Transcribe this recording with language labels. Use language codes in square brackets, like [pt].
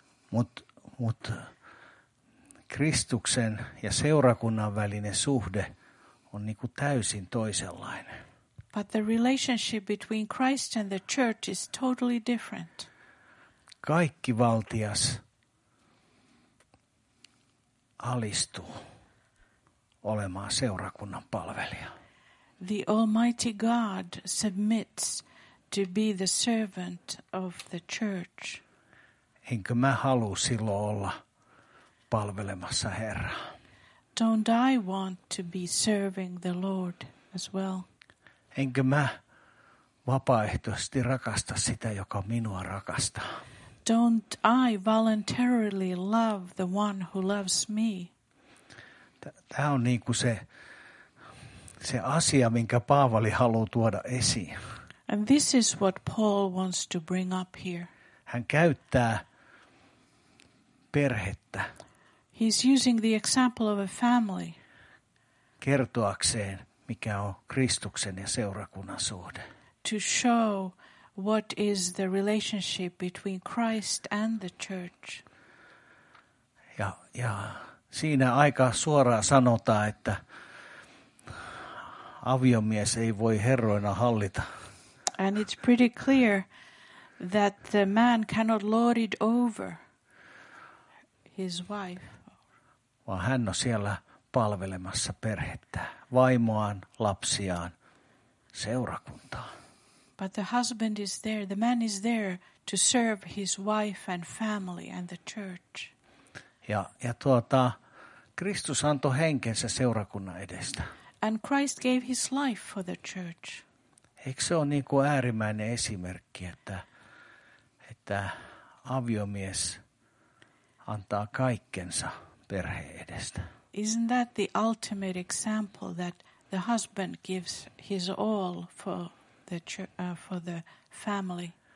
[fi] Mut Kristuksen ja seurakunnan välinen suhde on niinku täysin toisenlainen. [en] But the relationship between Christ and the church is totally different. [fi] Kaikki valtias alistuu olemaan seurakunnan palvelija. [en] The Almighty God submits to be the servant of the church. [fi] Enkö mä halua silloin olla palvelemassa Herraa? [en] Don't I want to be serving the Lord as well? [fi] Enkö mä vapaaehtoisesti rakasta sitä, joka minua rakastaa? [en] Don't I voluntarily love the one who loves me? [fi] Tämä on niin kuin se asia, minkä Paavali haluaa tuoda esiin. [en] And this is what Paul wants to bring up here. [fi] Hän käyttää perhettä. [en] He's using the example of a family. [fi] Kertoakseen, mikä on Kristuksen ja seurakunnan suhde. [en] To show what is the relationship between Christ and the church. [fi] Ja siinä aika suoraan sanotaan, että aviomies ei voi herroina hallita. [en] And it's pretty clear that the man cannot lord it over his wife. [fi] Vaan hän on siellä palvelemassa perhettä, vaimoaan, lapsiaan, seurakuntaa. [en] But the husband is there, the man is there to serve his wife and family and the church. [fi] Ja Kristus antoi henkensä seurakunnan edestä. [en] And Christ gave his life for the church. [fi] Eikö se ole niin kuin äärimmäinen esimerkki, että aviomies antaa kaikkensa perheen edestä? [en] Isn't that the ultimate example that the husband gives his all for the family?